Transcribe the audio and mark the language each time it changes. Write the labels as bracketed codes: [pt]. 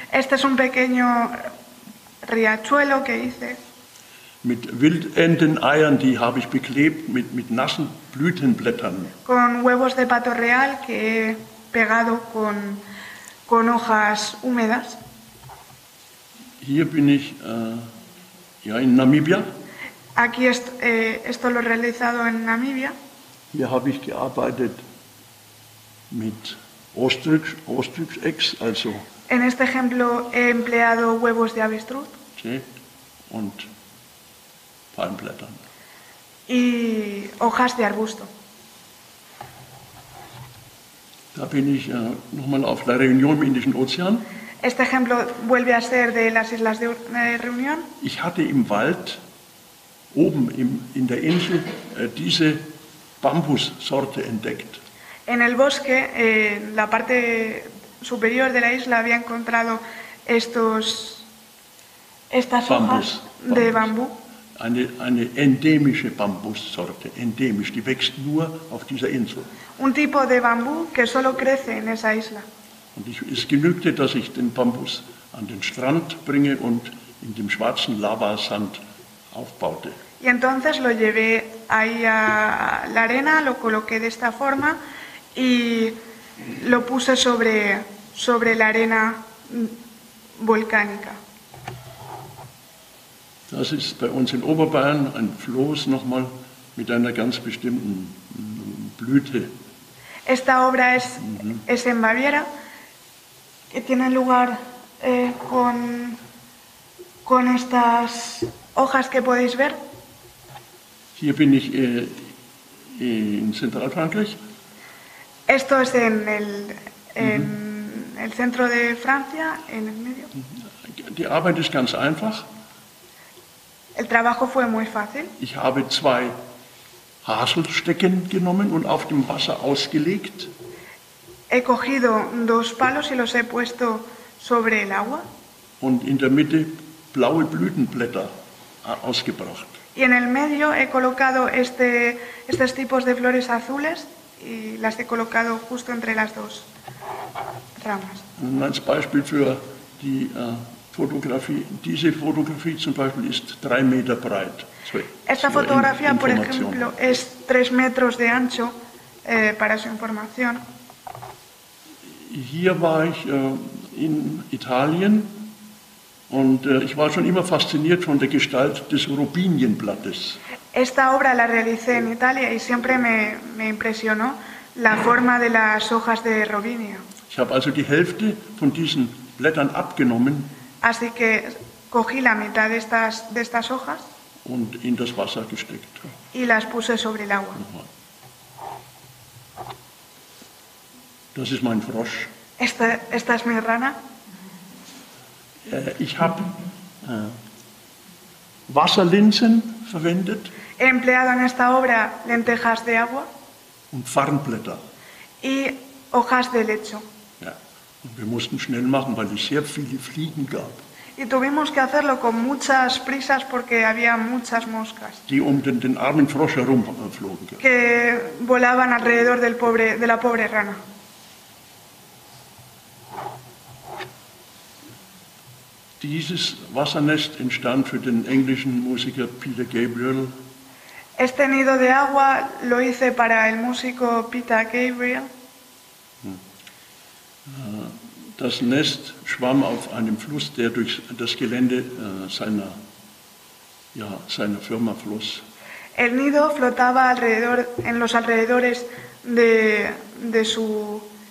[es] Este es un pequeño riachuelo que hice. [de] Mit Wildenteneiern, die habe ich beklebt mit nassen Blütenblättern. [es] Con huevos de pato real que he pegado con hojas húmedas. [de] Hier bin ich in Namibia. [es] Aquí esto lo he realizado en Namibia. [de] Hier habe ich gearbeitet mit Ostrich-Eggs, also. [es] En este ejemplo he empleado huevos de avestruz. [de] Sí, und Palmblättern. [es] Y hojas de arbusto. [de] Da bin ich nochmal auf La Reunión im Indischen Ozean. [es] Este ejemplo vuelve a ser de las Islas de Reunión. [de] Ich hatte im Wald oben in der Insel diese Bambussorte entdeckt. [es] En el bosque, en la parte superior de la isla, había encontrado estas [de] Bambus, [es] hojas de bambú. [de] Eine endemische Bambussorte, endemisch, die wächst nur auf dieser Insel. [es] Un tipo de bambú que solo crece en esa isla. [de] Und es genügte, dass ich den Bambus an den Strand bringe und in dem schwarzen Lavasand aufbaute. [es] Y entonces lo llevé ahí a la arena, lo coloqué de esta forma y lo puse sobre la arena volcánica. [de] Das ist bei uns in Oberbayern ein Floß nochmal mit einer ganz bestimmten Blüte. [es] Esta obra es, es en Baviera. Que tiene lugar con estas hojas que podéis ver. [de] Hier bin ich in Zentralfrankreich. [es] Esto es en el centro de Francia, en el medio. [de] Die Arbeit ist ganz einfach. [es] El trabajo fue muy fácil. [de] Ich habe zwei Haselstecken genommen und auf dem Wasser ausgelegt. [es] He cogido dos palos y los he puesto sobre el agua. [de] Und in der Mitte blaue Blütenblätter ausgebracht. [es] Y en el medio he colocado estos tipos de flores azules y las he colocado justo entre las dos ramas. [de] Und als Beispiel für die Fotografie, diese Fotografie zum Beispiel ist 3 Meter breit. [es] Esta fotografía, por ejemplo, es 3 metros de ancho, para su información. [de] Hier war ich in Italien und ich war schon immer fasziniert von der Gestalt des Robinienblattes. [es] Esta obra la realicé en Italia y siempre me impresionó la forma de las hojas de robinio. [de] Ich habe also die Hälfte von diesen Blättern abgenommen. [es] Así que cogí la mitad de estas hojas [de] und in das Wasser gesteckt. [es] Y las puse sobre el agua. [de] Das ist mein Frosch. [es] Esta es mi rana. [de] Ich habe Wasserlinsen verwendet. [es] He empleado en esta obra lentejas de agua. [de] Und Farnblätter. [es] Y hojas de lecho. [de] Ja. Und wir mussten schnell machen, weil es sehr viele Fliegen gab. [es] Y tuvimos que hacerlo con muchas prisas porque había muchas moscas. [de] Die um den armen Frosch herumflogen. [es] Que volaban alrededor de la pobre rana. [de] Dieses Wassernest entstand für den englischen Musiker Peter Gabriel. [es] Este nido de agua lo hice para el músico Peter Gabriel. [de] Das Nest schwamm auf einem Fluss, der durch das Gelände seiner Firma floss. [es] El nido flotaba alrededor en los alrededores de su